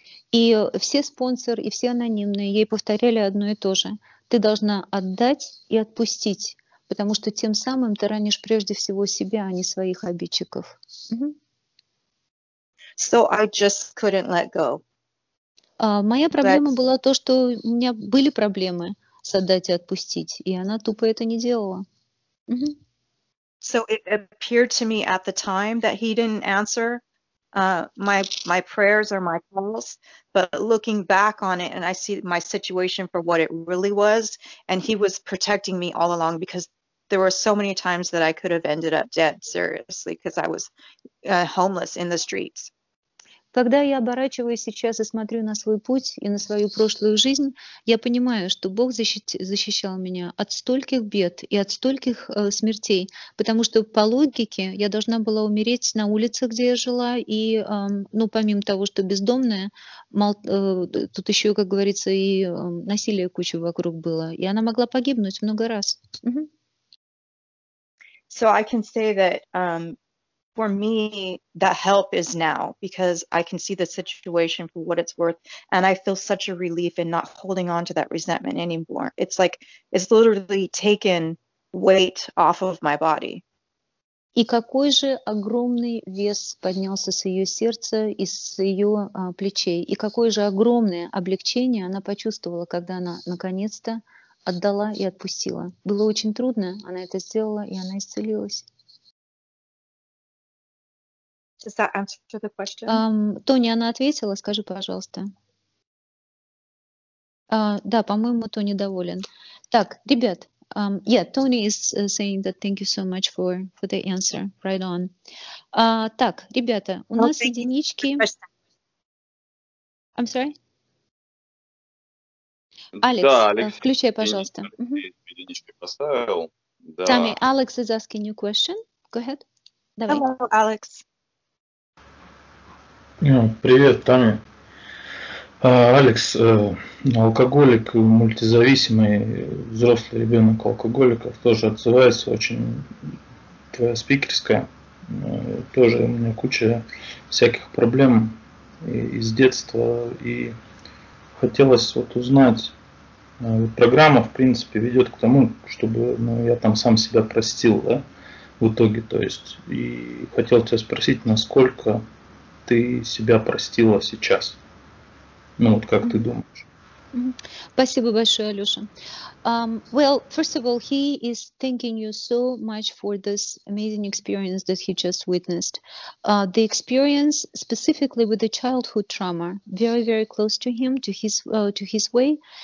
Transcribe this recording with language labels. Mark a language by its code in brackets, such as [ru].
[ru] И все спонсоры и все анонимные ей повторяли одно и то же: ты должна отдать и отпустить, потому что тем самым ты ранишь прежде всего себя, а не своих обидчиков. [en] So I just couldn't let go. [ru] Моя проблема [en] But... [ru] была то, что у меня были проблемы с отдать и отпустить, и она тупо это не делала. [en] So it appeared to me at the time that he didn't answer my prayers or my calls, but looking back on it, and I see my situation for what it really was, and he was protecting me all along, because there were so many times that I could have ended up dead, seriously, because I was homeless in the streets. [ru] Когда я оборачиваюсь сейчас и смотрю на свой путь и на свою прошлую жизнь, я понимаю, что Бог защищал меня от стольких бед и от стольких смертей, потому что по логике я должна была умереть на улице, где я жила, и, ну, помимо того, что бездомная, тут еще, как говорится, и насилие куча вокруг было, и она могла погибнуть много раз. [en] So I can say that, For me, the help is now, because I can see the situation for what it's worth, and I feel such a relief in not holding on to that resentment anymore. It's like, it's literally taken weight off of my body. [ru] И какой же огромный вес поднялся с ее сердца и с ее плечей, и какое же огромное облегчение она почувствовала, когда она наконец-то отдала и отпустила. Было очень трудно, она это сделала, и она исцелилась. [en] Does that answer to the question? [ru] Тони, она ответила, скажи, пожалуйста. Да, по-моему, Тони доволен. Так, ребят, [en] yeah, Tony is saying that thank you so much for the answer. Right on. [ru] Так, ребята, у нас единички. [en] I'm sorry. [ru] Алекс, включай, пожалуйста. Единички поставил. Да. [en] Tommy, Alex is asking you a question. Go ahead. [ru] Давай. [en] Hello, Alex. [ru] Привет, Таня. Алекс, алкоголик, мультизависимый, взрослый ребенок алкоголиков, тоже отзывается очень, твоя спикерская, тоже у меня куча всяких проблем из детства, и хотелось вот узнать, программа, в принципе, ведет к тому, чтобы, ну, я там сам себя простил, да, в итоге, то есть, и хотел тебя спросить, насколько... ты себя простила сейчас? Ну, вот как ты думаешь? Спасибо большое, Алёша. [en] Well, first of all, he is thanking you so much for this amazing experience that he just witnessed. The experience specifically with the childhood trauma, very, very close to him, to his way.